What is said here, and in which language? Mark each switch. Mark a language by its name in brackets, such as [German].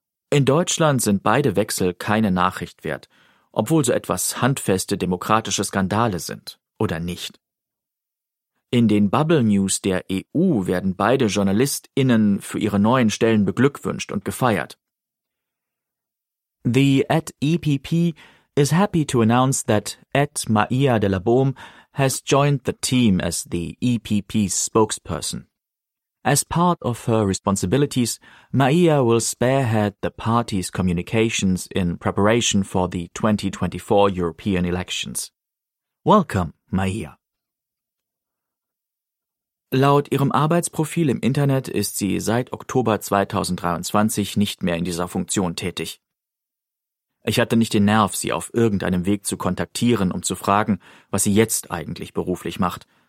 [German] In Deutschland sind beide Wechsel keine Nachricht wert, obwohl so etwas handfeste demokratische Skandale sind, oder nicht? In den Bubble News der EU werden beide JournalistInnen für ihre neuen Stellen beglückwünscht und gefeiert. [English] The @EPP is happy to announce that @Maia de la Baume has joined the team as the EPP's spokesperson. As part of her responsibilities, Maia will spearhead the party's communications in preparation for the 2024 European elections. Welcome, Maia. [German] Laut ihrem Arbeitsprofil im Internet ist sie seit Oktober 2023 nicht mehr in dieser Funktion tätig. Ich hatte nicht den Nerv, sie auf irgendeinem Weg zu kontaktieren, um zu fragen, was sie jetzt eigentlich beruflich macht.